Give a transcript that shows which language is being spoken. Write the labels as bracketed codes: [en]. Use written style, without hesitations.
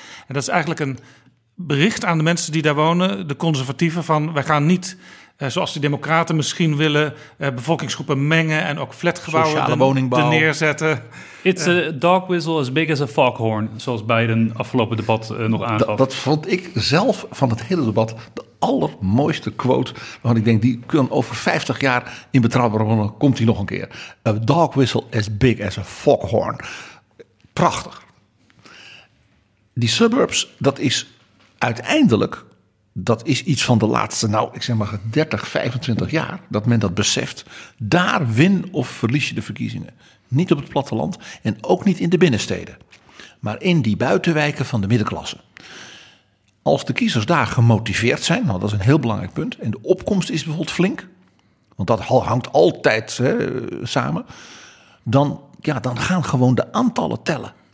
[nl] En dat is eigenlijk een bericht aan de mensen die daar wonen, de conservatieven, van wij gaan niet, zoals de democraten misschien willen, bevolkingsgroepen mengen en ook flatgebouwen te neerzetten. [en] It's a dog whistle as big as a foghorn, [nl] zoals Biden afgelopen debat nog aangaf. Dat vond ik zelf van het hele debat de allermooiste quote, want ik denk, die kan over 50 jaar in betrouwbare bronnen, komt die nog een keer. [en] A dog whistle as big as a foghorn. [nl] Prachtig. Die suburbs, dat is uiteindelijk, dat is iets van de laatste, nou, ik zeg maar 30, 25 jaar, dat men dat beseft. Daar win of verlies je de verkiezingen. Niet op het platteland en ook niet in de binnensteden. Maar in die buitenwijken van de middenklasse. Als de kiezers daar gemotiveerd zijn, nou, dat is een heel belangrijk punt, en de opkomst is bijvoorbeeld flink, want dat hangt altijd samen, dan gaan gewoon de aantallen tellen.